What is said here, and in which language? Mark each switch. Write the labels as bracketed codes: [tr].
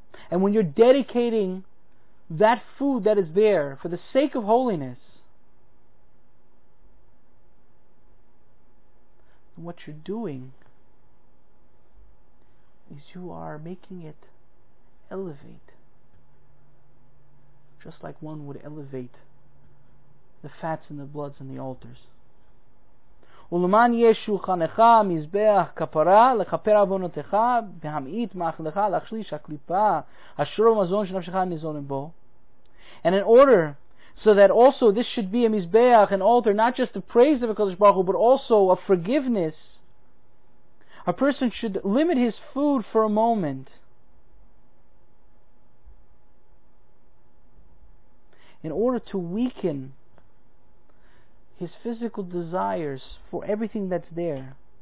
[en] And when you're dedicating that food that is there for the sake of holiness, what you're doing is you are making it elevate, just like one would elevate the fats and the bloods and the altars. [he] ולמען יהיה שולחנך מזבח כפרה לכפר עוונותיך והמעיט מאכלך להשליש הקליפה אשר במזון שנפשך ניזון בו. [en] And in order so that also this should be a mizbeach, an altar, not just the praise of HaKadosh Baruch Hu, but also a forgiveness, a person should limit his food for a moment in order to weaken his physical desires for everything that's there.